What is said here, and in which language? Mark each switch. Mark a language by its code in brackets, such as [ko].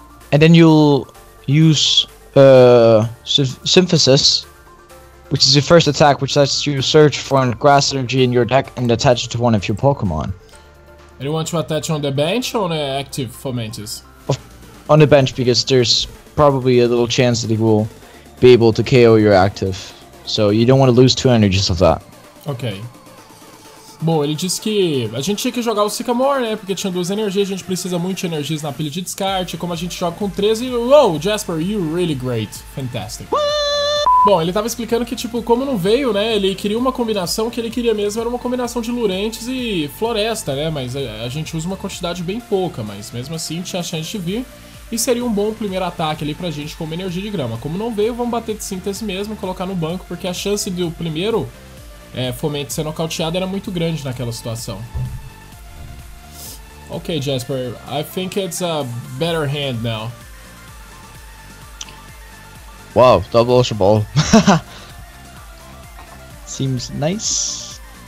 [en] And then you'll use Symphysis, which is your first attack, which lets you search for a grass energy in your deck and attach it to one of your Pokemon. And you want to attach on the bench or on the active Fomantis? On the bench, because there's probably a little chance that he will be able to KO your active. So you don't want to lose 2 energies of that. Okay. [pt] Bom, ele disse que a gente tinha que jogar o Sycamore, né? Porque tinha 2 energias, a gente precisa muito de energias na pilha de descarte. Como a gente joga com 13... Uou, Jasper, [en] you're really great. Fantastic. [pt] Bom, ele tava explicando que, tipo, como não veio, né? Ele queria uma combinação, o que ele queria mesmo era uma combinação de Lurentes e Floresta, né? Mas a gente usa uma quantidade bem pouca, mas mesmo assim tinha chance de vir. e seria um bom primeiro ataque ali pra gente como energia de grama. Como não veio, vamos bater de síntese mesmo e colocar no banco, porque a chance do primeiro fomento ser nocauteado era muito grande naquela situação. [en] Ok, Jasper, I think it's a better hand now. Wow, double ocean ball. Seems nice.